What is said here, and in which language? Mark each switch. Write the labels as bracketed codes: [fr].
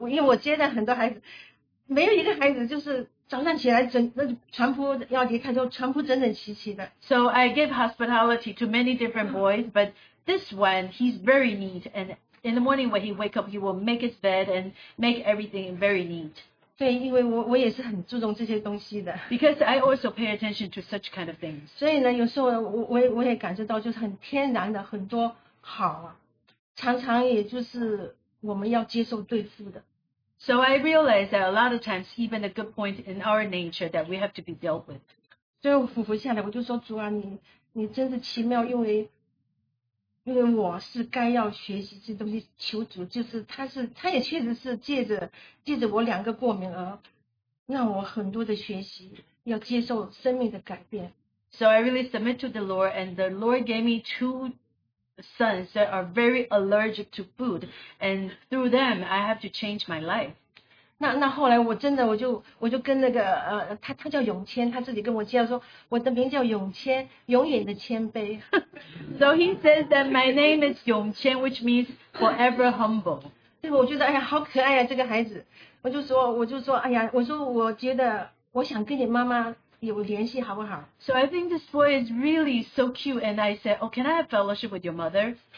[zh] 所以我看到他就是很整齐啊，你看到他，因为我接待很多孩子，没有一个孩子就是。早上起来整，那船铺要离开之后，船铺整整齐齐的。So [en] I gave hospitality to many different boys, but this one, he's very neat. And in the morning when he wake up, he will make his bed and make everything very neat. [zh] 对，因为我也是很注重这些东西的。Because [en] I also pay attention to such kind of things. [zh] 所以呢，有时候我也感觉到就是很天然的很多好啊，常常也就是我们要接受对付的。 [en] So I realize that a lot of times, even a good point in our nature that we have to be dealt with. [zh] 所以我俯伏下来，我就说主啊，你真是奇妙，因为我是该要学习这东西，求主就是他也确实是借着我两个过敏而让我很多的学习，要接受生命的改变。 [en] So I really submit to the Lord, and the Lord gave me two sons that are very allergic to food, and through them, I have to change my life. [zh] 那后来我真的我就跟那个他叫永谦，他自己跟我介绍说，我的名叫永谦，永远的谦卑。 [en] So he says that my name is 永谦, which means forever humble. [zh] 对，我觉得哎呀，好可爱呀，这个孩子。我就说，我觉得我想跟你妈妈有联系，好不好？ [en] So I think this boy is really so cute, and I said, oh, can I have fellowship with your mother?